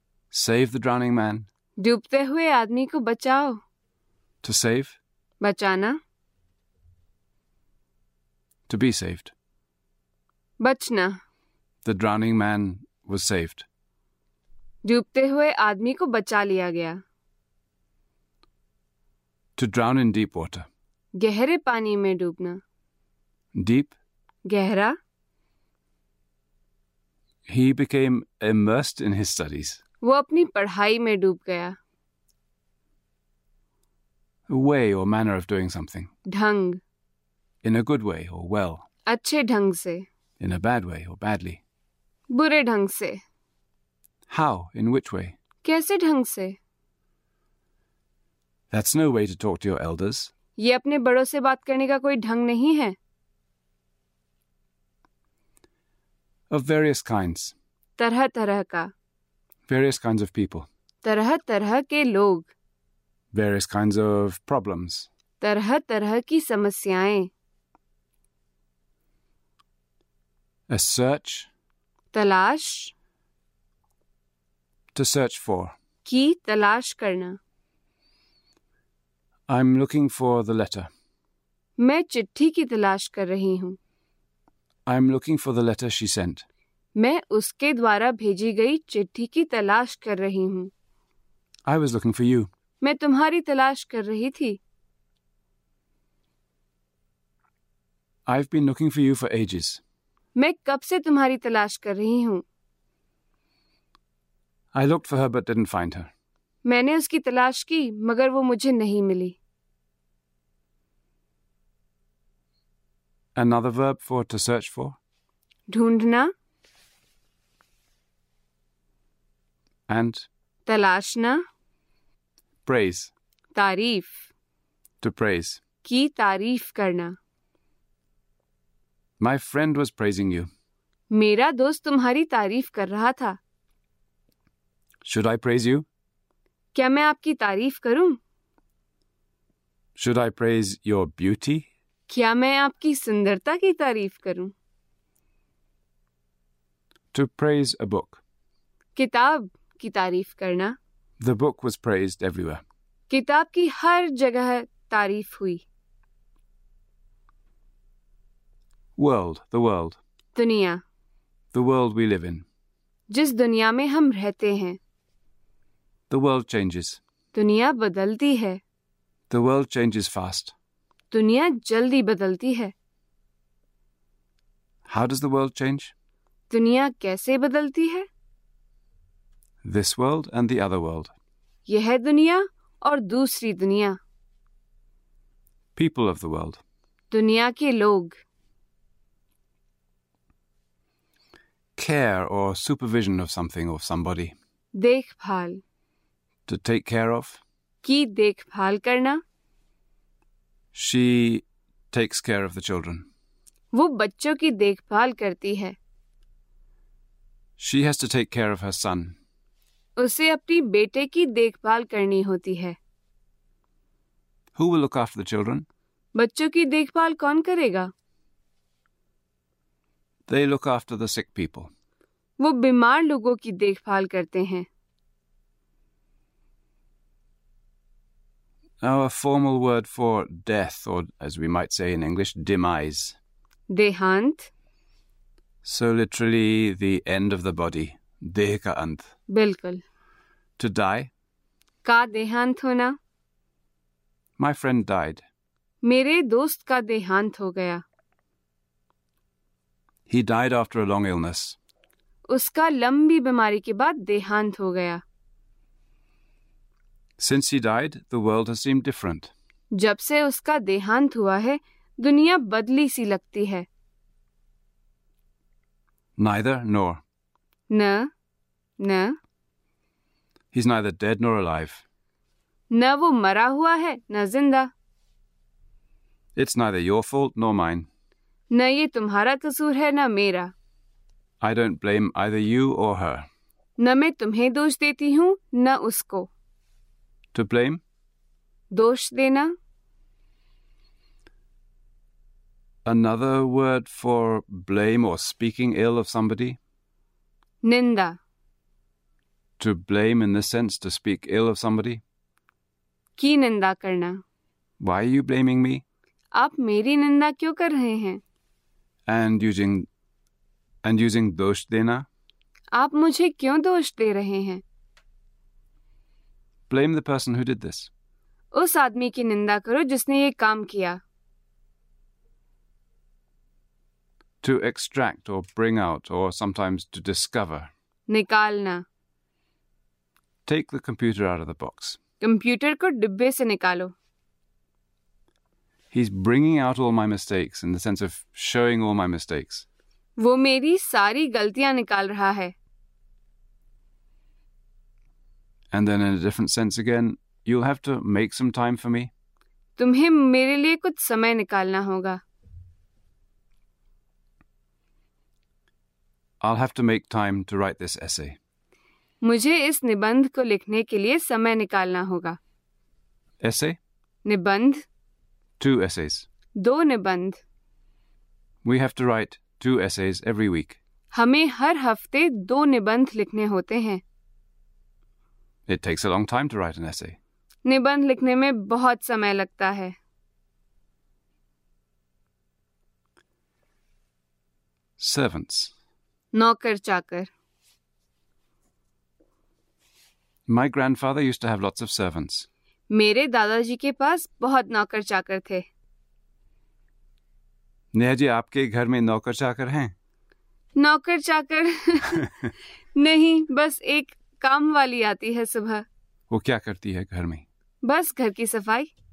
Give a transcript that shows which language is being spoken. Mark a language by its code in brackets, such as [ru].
[en] Save the drowning man. [hi] डूबते हुए आदमी को बचाओ। [en] To save. [hi] बचाना। [en] To be saved. [hi] बचना। [en] The drowning man was saved. [hi] डूबते हुए आदमी को बचा लिया गया। [en] to drown in deep water, [hi] गहरे पानी में डूबना। [en] deep, [hi] गहरा। [en] he became immersed in his studies, [hi] वो अपनी पढ़ाई में डूब गया। [en] way और manner of doing something, [hi] ढंग, [en] in a good way और well, [hi] अच्छे ढंग से, [en] in a bad way और badly, [hi] बुरे ढंग से। [en] How? In which way? [hi] कैसे ढंग से? [en] That's no way to talk to your elders. [hi] ये अपने बड़ों से बात करने का कोई ढंग नहीं है। [en] Of various kinds. [hi] तरह तरह का। [en] Various kinds of people. [hi] तरह तरह के लोग। [en] Various kinds of problems. [hi] तरह तरह की समस्याएं। [en] A search. [hi] तलाश। [en] To search for. [hi] की तलाश करना। [en] I'm looking for the letter. [hi] मैं चिट्ठी की तलाश कर रही हूँ। [en] I'm looking for the letter she sent. [hi] मैं उसके द्वारा भेजी गई चिट्ठी की तलाश कर रही हूँ। [en] I was looking for you. [hi] मैं तुम्हारी तलाश कर रही थी। [en] I've been looking for you for ages. [hi] मैं कब से तुम्हारी तलाश कर रही हूँ। [en] I looked for her but didn't find her. [hi] मैंने उसकी तलाश की मगर वो मुझे नहीं मिली। [en] Another verb for to search for? [hi] ढूंढना। [en] And? [hi] तलाशना। [en] Praise. [hi] तारीफ। [en] To praise. [hi] की तारीफ करना। [en] My friend was praising you. [hi] मेरा दोस्त तुम्हारी तारीफ कर रहा था। [en] Should I praise you? [hi] क्या मैं आपकी तारीफ करूं? [en] Should I praise your beauty? [hi] क्या मैं आपकी सुंदरता की तारीफ करूं? [en] To praise a book. [hi] किताब की तारीफ करना। [en] The book was praised everywhere. [hi] किताब की हर जगह तारीफ हुई। [en] World, the world. [hi] दुनिया। [en] The world we live in. [hi] जिस दुनिया में हम रहते हैं। [en] The world changes. [hi] दुनिया बदलती है। [en] The world changes fast. [hi] दुनिया जल्दी बदलती है। [en] How does the world change? [hi] दुनिया कैसे बदलती है? [en] This world and the other world. [hi] यह दुनिया और दूसरी दुनिया। [en] People of the world. [hi] दुनिया के लोग। [en] Care or supervision of something or somebody. [hi] देखभाल। [en] To take care of. [hi] की देखभाल करना। [en] She takes care of the children. [hi] वो बच्चों की देखभाल करती है। [en] She has to take care of her son. [hi] उसे अपनी बेटे की देखभाल करनी होती है। [en] Who will look after the children? [hi] बच्चों की देखभाल कौन करेगा? [en] They look after the sick people. [hi] वो बीमार लोगों की देखभाल करते हैं. [en] Now a formal word for death, or as we might say in English, demise. [hi] Dehant. [en] So literally the end of the body. [hi] Deh ka ant. Bilkul. [en] To die. [hi] Ka dehant hona. [en] My friend died. [hi] Mere dost ka dehant ho gaya. [en] He died after a long illness. [hi] Uska lambi bimari ke baad dehant ho gaya. [en] Since he died, the world has seemed different. [hi] जब से उसका देहांत हुआ है, दुनिया बदली सी लगती है. [en] Neither nor. [hi] न, न. [en] He's neither dead nor alive. [hi] न वो मरा हुआ है, न जिंदा. [en] It's neither your fault nor mine. [hi] न ये तुम्हारा कसूर है, न मेरा. [en] I don't blame either you or her. [hi] न मैं तुम्हें दोष देती हूँ, न उसको. [en] To blame? [hi] दोष देना. [en] Another word for blame or speaking ill of somebody? [hi] निंदा. [en] To blame in this sense, to speak ill of somebody? [hi] की निंदा करना. [en] Why are you blaming me? [hi] आप मेरी निंदा क्यों कर रहे हैं? [en] And using दोष देना? [hi] आप मुझे क्यों दोष दे रहे हैं? [en] Blame the person who did this. [hi] उस आदमी की निंदा करो जिसने ये काम किया. [en] To extract or bring out or sometimes to discover. [hi] निकालना. [en] Take the computer out of the box. [hi] Computer को डिब्बे से निकालो. [en] He's bringing out all my mistakes in the sense of showing all my mistakes. [hi] वो मेरी सारी गलतियां निकाल रहा है. [en] And then in a different sense again, you'll have to make some time for me. [hi] तुम्हें मेरे लिए कुछ समय निकालना होगा. [en] I'll have to make time to write this essay. [hi] मुझे इस निबंध को लिखने के लिए समय निकालना होगा. [en] Essay? [hi] निबंध. [en] Two essays. [hi] दो निबंध. [en] We have to write two essays every week. [hi] हमें हर हफ्ते दो निबंध लिखने होते हैं. [en] It takes a long time to write an essay. [hi] निबंध लिखने में बहुत समय लगता है. [en] Servants. [hi] नौकर चाकर. [en] My grandfather used to have lots of servants. [hi] मेरे दादाजी के पास बहुत नौकर चाकर थे. नेहा जी, आपके घर में नौकर चाकर हैं? नौकर चाकर नहीं, बस एक काम वाली आती है सुबह. वो क्या करती है घर में? बस घर की सफाई.